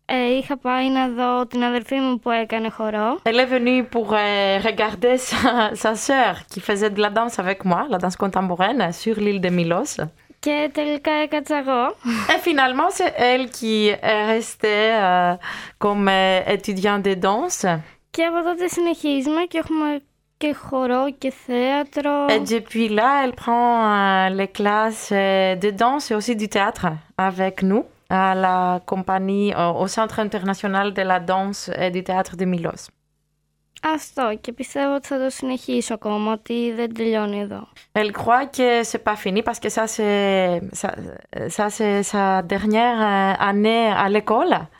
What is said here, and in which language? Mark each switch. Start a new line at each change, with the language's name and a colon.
Greek: Είχα πάει να δω την αδερφή μου που έκανε χορό.
French: Elle est venue pour regarder sa sœur qui faisait de la danse avec moi, la danse contemporaine, sur l'île de Milos.
Greek: Και τελικά έκατσα εγώ.
French: Et finalement, c'est elle qui est restée comme étudiante de danse.
Greek: Και από τότε συνεχίζουμε και έχουμε... Και χορό και θέατρο.
French: Et depuis là, elle prend les classes de danse et aussi du théâtre avec nous à la compagnie au Centre international de la danse et du théâtre de Milos.
Greek: Αυτό, και πιστεύω ότι θα το συνεχίσω ακόμα, ότι δεν τελειώνει εδώ.
French: Elle croit que c'est pas fini parce que ça c'est sa dernière année à l'école.